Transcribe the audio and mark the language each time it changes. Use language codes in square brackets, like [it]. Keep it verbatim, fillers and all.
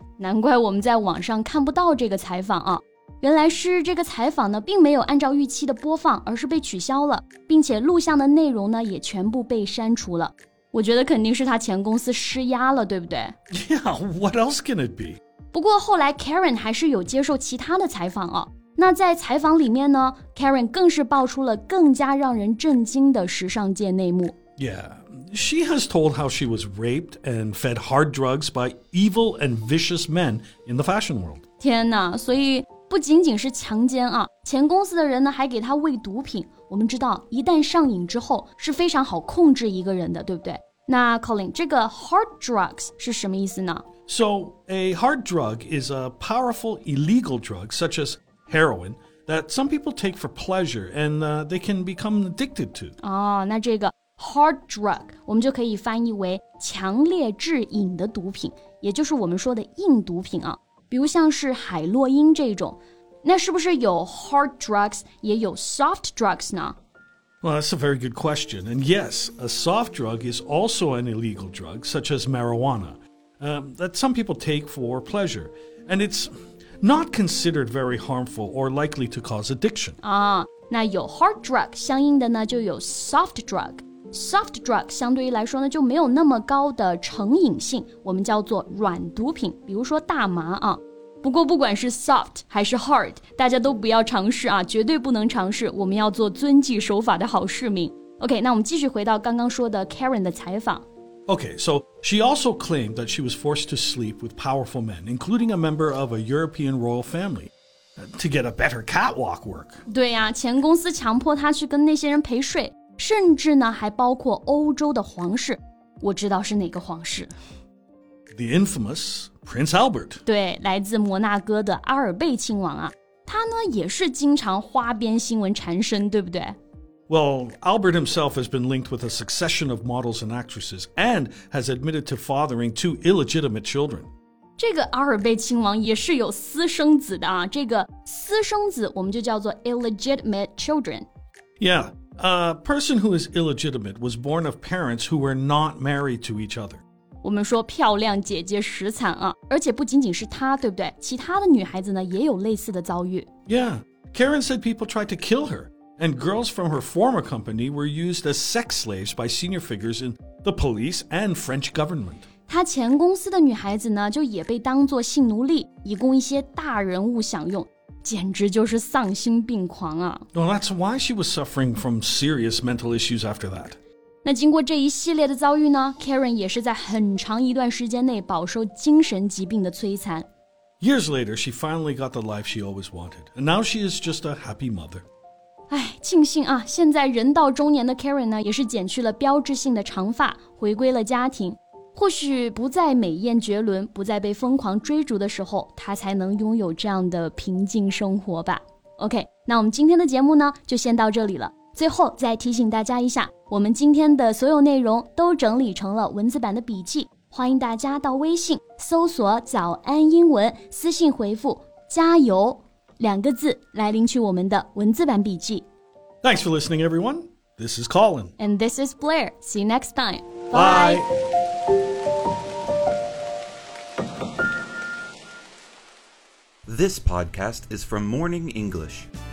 [zh] 难怪我们在网上看不到这个采访啊。原来是这个采访呢，并没有按照预期的播放，而是被取消了，并且录像的内容呢，也全部被删除了。我觉得肯定是他前公司施压了，对不对？ [en] Yeah, what else can it be? [zh] 不过后来 Karen 还是有接受其他的采访啊。那在采访里面呢 Karen 更是爆出了更加让人震惊的时尚界内幕。 [en] Yeah, she has told how she was raped and fed hard drugs by evil and vicious men in the fashion world. [zh] 天哪，所以不仅仅是强奸啊，前公司的人呢还给她喂毒品。我们知道一旦上瘾之后是非常好控制一个人的，对不对？那 Colin, 这个 hard drugs 是什么意思呢？ [en] So, a hard drug is a powerful illegal drug, such as heroin, that some people take for pleasure and uh, they can become addicted to. [zh] 哦，那这个 hard drug 我们就可以翻译为强烈致瘾的毒品，也就是我们说的硬毒品啊，比如像是海洛因这种。那是不是有 hard drugs 也有 soft drugs 呢？ [en] Well, that's a very good question. And yes, a soft drug is also an illegal drug, such as marijuana, um, that some people take for pleasure. And it's not considered very harmful or likely to cause addiction. [zh] 啊，那有 hard drug 相应的呢，就有 soft drug. Soft drug 相对于来说呢，就没有那么高的成瘾性，我们叫做软毒品，比如说大麻啊。不过不管是 soft 还是 hard， 大家都不要尝试啊，绝对不能尝试，我们要做遵纪守法的好市民。 OK, 那我们继续回到刚刚说的 Karen 的采访。 [en] OK, so she also claimed that she was forced to sleep with powerful men, including a member of a European royal family, to get a better catwalk work. [zh] 对呀、啊、前公司强迫她去跟那些人陪睡，甚至呢还包括欧洲的皇室。我知道是哪个皇室。 [en] The infamous Prince Albert. [zh] 对，来自摩纳哥的阿尔贝亲王啊，他呢也是经常花边新闻缠身，对不对？ [en] Well, Albert himself has been linked with a succession of models and actresses and has admitted to fathering two illegitimate children. [zh] 这个阿尔贝亲王也是有私生子的啊，这个私生子我们就叫做 illegitimate children. [en] Yeah, a person who is illegitimate was born of parents who were not married to each other. [zh] 我们说漂亮姐姐实惨啊，而且不仅仅是她，对不对？其他的女孩子呢也有类似的遭遇。 [en] Yeah, Karen said people tried to kill her, and girls from her former company were used as sex slaves by senior figures in the police and French government. [zh] 她前公司的女孩子呢，就也被当作性奴隶，以供一些大人物享用，简直就是丧心病狂啊。 [en] Well, that's why she was suffering from serious mental issues after that. [zh] 那经过这一系列的遭遇呢 Karen 也是在很长一段时间内饱受精神疾病的摧残。 [en] Years later, she finally got the life she always wanted, and now she is just a happy mother. [zh] 哎，庆幸啊，现在人到中年的 Karen 呢，也是剪去了标志性的长发，回归了家庭。或许不再美艳绝伦，不再被疯狂追逐的时候，她才能拥有这样的平静生活吧。 OK, 那我们今天的节目呢，就先到这里了。最后再提醒大家一下，我们今天的所有内容都整理成了文字版的笔记，欢迎大家到微信搜索早安英文，私信回复加油两个字来领取我们的文字版笔记。 [en] Thanks for listening, everyone. This is Colin. And this is Blair. See you next time. Bye. Bye. This podcast is from Morning English.